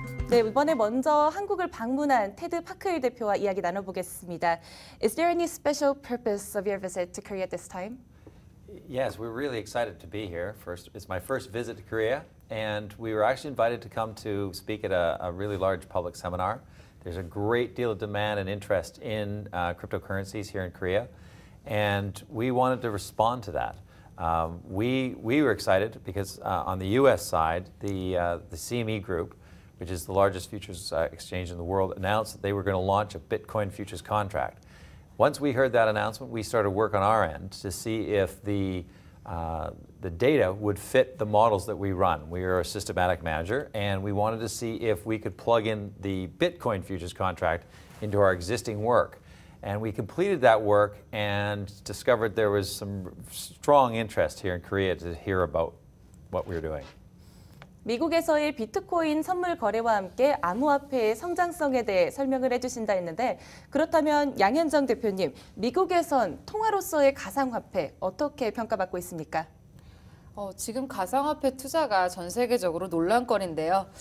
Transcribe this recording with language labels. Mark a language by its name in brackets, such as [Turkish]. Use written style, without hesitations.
[Korean] 네, 이번에 먼저 한국을 방문한 테드 파크힐 대표와 이야기 나눠보겠습니다. [English] Is there any special purpose of your visit to Korea this time? Yes, we're really excited to be here. First, it's my first visit to Korea, and we were actually invited to come to speak at a really large public seminar. There's a great deal of demand and interest in cryptocurrencies here in Korea, and we wanted to respond to that. We were excited because on the U.S. side, the CME Group, which is the largest futures exchange in the world, announced that they were going to launch a Bitcoin futures contract. Once we heard that announcement, we started work on our end to see if the data would fit the models that we run. We are a systematic manager, and we wanted to see if we could plug in the Bitcoin futures contract into our existing work. And we completed that work and discovered there was some strong interest here in Korea to hear about what we were doing. [Korean] 미국에서의 비트코인 선물 거래와 함께 암호화폐의 성장성에 대해 설명을 해주신다 했는데 그렇다면 양현정 대표님, 미국에선 통화로서의 가상화폐 어떻게 평가받고 있습니까? 지금 가상화폐 투자가 전 세계적으로 논란거리인데요.